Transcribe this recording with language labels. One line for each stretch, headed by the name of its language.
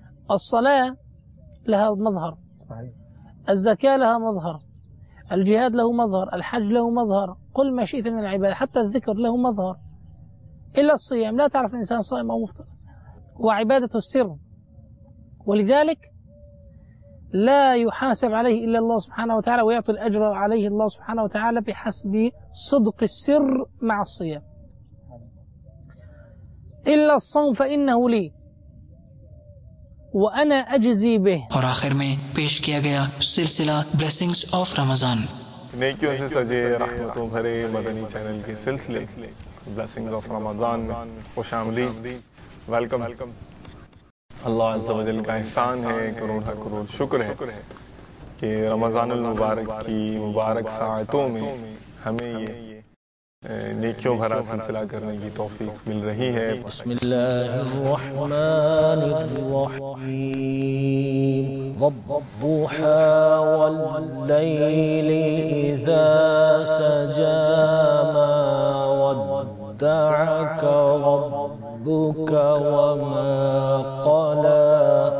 Arabic: الصلاة لها مظهر، الزكاة لها مظهر، الجهاد له مظهر، الحج له مظهر، قل ما شئت من العبادة، حتى الذكر له مظهر، إلا الصيام لا تعرف إنسان صائم أو مفطر، هو عبادة السر، ولذلك لا يحاسب عليه إلا الله سبحانه وتعالى، ويعطي الأجر عليه الله سبحانه وتعالى بحسب صدق السر مع الصيام. إلا الصوم فإنه لي وأنا أجزي به.
Urdu: اور آخر میں پیش کیا گیا سلسلہ بلیسنگز آف رمضان۔ نیکیوں سے سجے رحمتوں بھرے مدنی چینل کے سلسلے بلیسنگز آف رمضان میں خوش آمدید، ویلکم۔ اللہ عز و جل کا احسان ہے، کروڑ کروڑ شکر ہے کہ رمضان المبارک کی مبارک ساعتوں میں ہمیں یہ نیکیوں بھرا سلسلہ کرنے کی توفیق مل رہی ہے۔
Arabic: بسم اللہ الرحمن الرحیم، والضحى والليل اذا سجى ما ودعك ربك وما قلى،